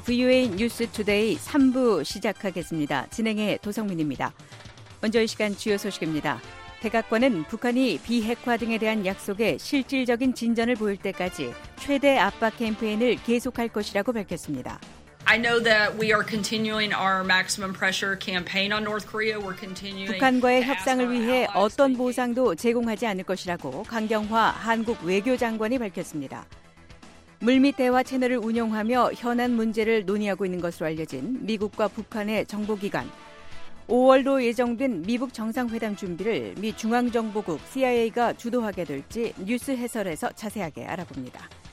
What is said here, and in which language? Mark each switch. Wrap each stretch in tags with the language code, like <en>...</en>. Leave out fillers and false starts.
<ko>VOA 뉴스 투데이 3부 시작하겠습니다. 진행의 도성민입니다. 먼저 이 시간 주요 소식입니다. 백악관은 북한이 비핵화 등에 대한 약속에 실질적인 진전을 보일 때까지 최대 압박 캠페인을 계속할 것이라고 밝혔습니다.</ko> <en>I know that we are continuing our maximum pressure campaign on North Korea. We're continuing.</en> <ko>북한과의 협상을 위해 어떤 보상도 제공하지 않을 것이라고 강경화 한국 외교장관이 밝혔습니다. 물밑 대화 채널을 운영하며 현안 문제를 논의하고 있는 것으로 알려진 미국과 북한의 정보기관. 5월로 예정된 미북 정상회담 준비를 미 중앙정보국 CIA가 주도하게 될지 뉴스 해설에서 자세하게 알아봅니다.</ko>